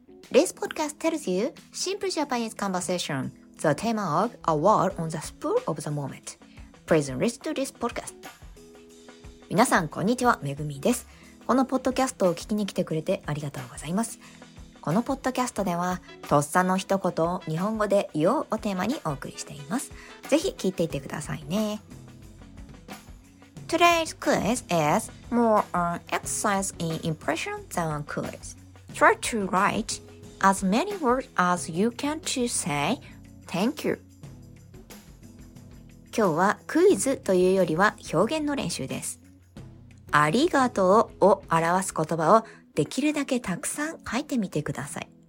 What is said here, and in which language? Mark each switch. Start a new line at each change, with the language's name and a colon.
English: This podcast tells you simple Japanese conversation, the theme of a word on the spur of the moment. Please listen to this podcast.
Japanese: 皆さんこんにちは、Megumiです。このポッドキャストを聞きに来てくれてありがとうございます。このポッドキャストでは、とっさの一言を日本語で言おうをテーマにお送りしています。ぜひ聞いていてくださいね。
English: Today's quiz is more an exercise in impression than a quiz. Try to write as many words as you can to say thank you.
Japanese: 今日はクイズというよりは表現の練習です。ありがとうを表す言葉をできるだけたくさん書いてみてください。